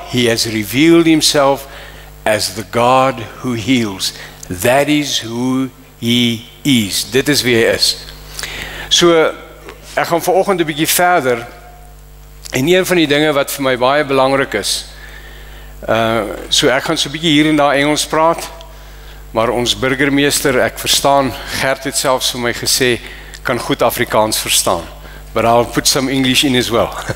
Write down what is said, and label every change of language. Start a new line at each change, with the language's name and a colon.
English: He has revealed himself as the God who heals. That is who he is.
Afrikaans: Dit is wie hy is. So, ek gaan vanoggend 'n bietjie verder, en een van die dinge wat vir my baie belangrik is, so ek gaan so 'n bietjie hier en daar Engels praat, maar ons burgemeester, ek verstaan, Gert het selfs vir my gesê, kan goed Afrikaans verstaan.
English: But I'll put some English in as well.